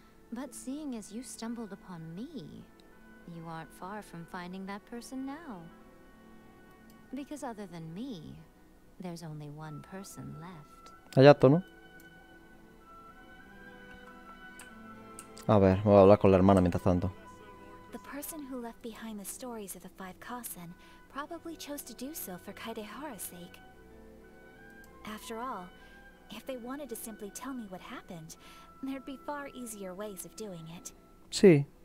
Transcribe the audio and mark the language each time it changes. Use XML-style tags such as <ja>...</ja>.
<en>But seeing as you stumbled upon me, you aren't far from finding that person now. Because other than me, there's only one person left.</en> <es>Hayato, ¿no? A ver, voy a hablar con la hermana mientras tanto.</es> <en>The person who left behind the stories of the five Kasen probably chose to do so for Kaidehara's sake. After all, if they wanted to simply tell me what happened, there'd be far easier ways of doing it.</en> <es>Sí.</es>